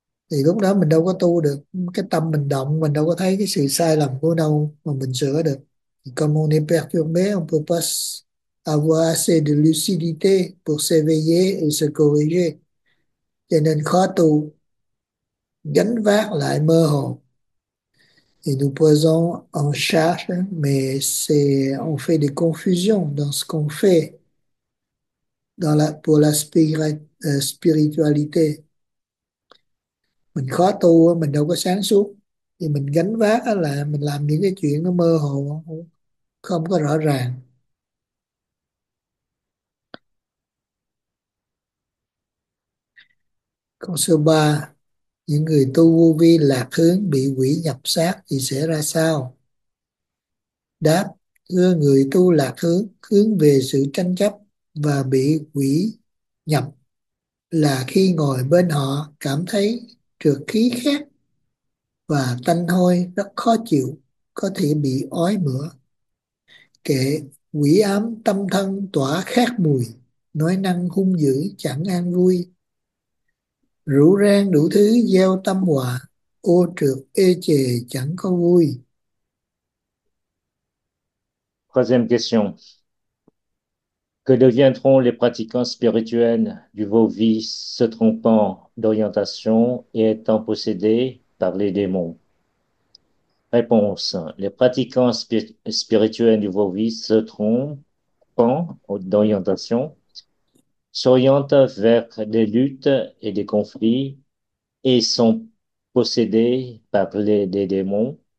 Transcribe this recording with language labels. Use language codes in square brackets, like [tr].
[vi] Thì lúc đó mình đâu có tu được, cái tâm mình động, mình đâu có thấy cái sự sai lầm của đâu mà mình sửa được. [fr] Comme on est perturbé, on peut pas avoir assez de lucidité pour s'éveiller et se corriger. [vi] Cho nên khó tu gánh vác lại mơ hồ. [fr] Et nous pesons en charge, mais c'est on fait des confusions dans ce qu'on fait dans la pour la spiritualité. [vi] Mình khó tu, mình đâu có sáng suốt, thì mình gánh vác là mình làm những cái chuyện nó mơ hồ, không có rõ ràng. Câu số 3. Những người tu vô vi lạc hướng bị quỷ nhập xác thì sẽ ra sao? Đáp: thưa người tu lạc hướng, hướng về sự tranh chấp và bị quỷ nhập là khi ngồi bên họ cảm thấy trược khí khét và tanh hôi rất khó chịu, có thể bị ói mửa. Kệ: quỷ ám tâm thân tỏa khét mùi, nói năng hung dữ chẳng an vui. Rủ rang đủ thứ gieo tâm họa, ô trược ê chề chẳng có vui. [fr] Troisième question. Que deviendront les pratiquants spirituels du Vovi se trompant d'orientation et étant possédés par les démons? Réponse. Les pratiquants spirituels du Vovi se trompant d'orientation s'orientent vers des luttes et des conflits et sont possédés par des démons.